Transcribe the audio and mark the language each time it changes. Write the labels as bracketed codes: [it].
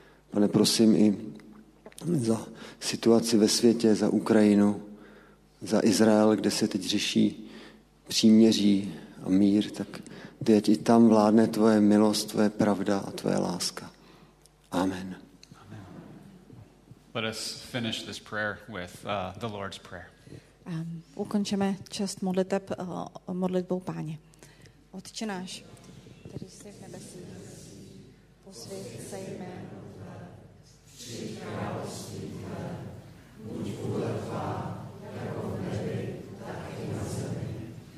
[cs] Pane, prosím i za situaci ve světě, za Ukrajinu, za Izrael, kde se teď řeší příměří a mír, tak ať i tam vládne tvoje milost, tvoje pravda a tvoje láska. Amen. [en] Let us finish this prayer with the Lord's prayer. [cs] Ukončeme část modliteb modlitbou Páně. Otče náš, který jsi v nebesích, posvěť se jméno tvé, přijď království tvé, buď vůle tvá, jako v nebi, tak i na zemi.